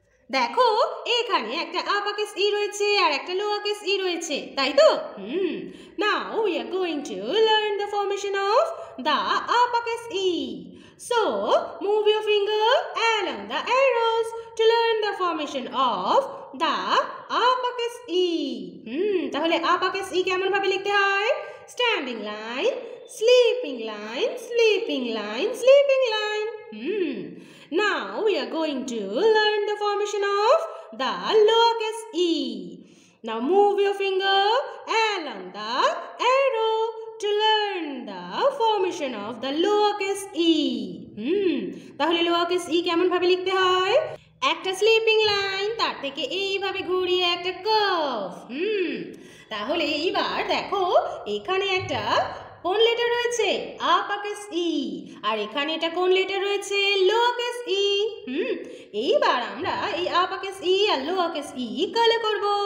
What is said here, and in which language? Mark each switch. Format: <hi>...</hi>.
<bn>দেখো এখানে একটা আপকেস ই রয়েছে আর একটা লোয়ারকেস ই রয়েছে তাই তো</bn> <en>now we are going to learn the formation of the uppercase e so move your finger along the arrows to learn the formation of the uppercase e</en> <bn>তাহলে আপকেস ই কেমন ভাবে লিখতে হয়</bn> <en>Standing line sleeping line sleeping line sleeping line Now we are going to learn the formation of the lowercase e. Now move your finger along the arrow to learn the formation of the lowercase e.</en> <bn>তাহলে lowercase e কেমন ভাবে লিখতে হয়? একটা sleeping line তার থেকে এইভাবে ঘুরিয়ে একটা curve. তাহলে এইবার দেখো এখানে একটা কোন লেটার রয়েছে আপকেস ই আর এখানে এটা কোন লেটার রয়েছে লোকেস ই এইবার আমরা এই আপকেস ই আর লোকেস ই কালার করব</bn>